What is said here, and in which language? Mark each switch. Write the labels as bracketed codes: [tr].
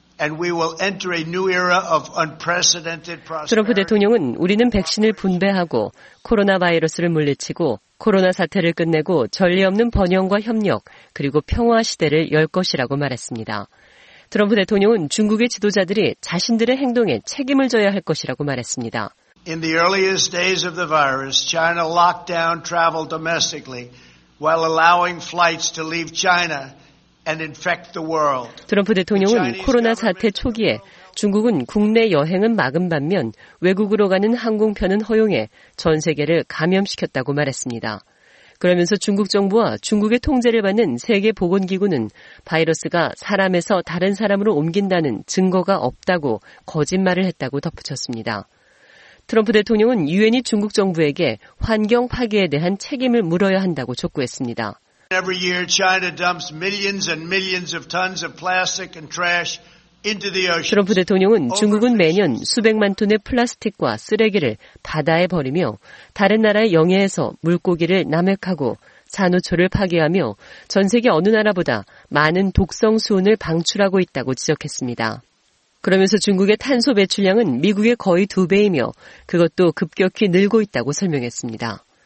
[en] And we will enter a new era of unprecedented prosperity. [ko] 트럼프 대통령은 우리는 백신을 분배하고 코로나 바이러스를 물리치고 코로나 사태를 끝내고 전례 없는 번영과 협력 그리고 평화 시대를 열 것이라고 말했습니다. 트럼프 대통령은 중국의 지도자들이 자신들의 행동에 책임을 져야 할 것이라고 말했습니다. [en] In the earliest days of the virus, China locked down travel domestically while allowing flights to leave China. [ko] 트럼프 대통령은 코로나 사태 초기에 중국은 국내 여행은 막은 반면 외국으로 가는 항공편은 허용해 전 세계를 감염시켰다고 말했습니다. 그러면서 중국 정부와 중국의 통제를 받는 세계보건기구는 바이러스가 사람에서 다른 사람으로 옮긴다는 증거가 없다고 거짓말을 했다고 덧붙였습니다. 트럼프 대통령은 유엔이 중국 정부에게 환경 파괴에 대한 책임을 물어야 한다고 촉구했습니다. [en] Every year, China dumps millions and millions of tons of plastic and trash into the ocean. [ko] 트럼프 대통령은 중국은 매년 수백만 톤의 플라스틱과 쓰레기를 바다에 버리며 다른 나라의 영해에서 물고기를 남획하고 산호초를 파괴하며 전 세계 어느 나라보다 많은 독성 수온을 방출하고 있다고 지적했습니다. 그러면서 중국의 탄소 배출량은 미국의 거의 두 배이며 그것도 급격히 늘고 있다고 설명했습니다.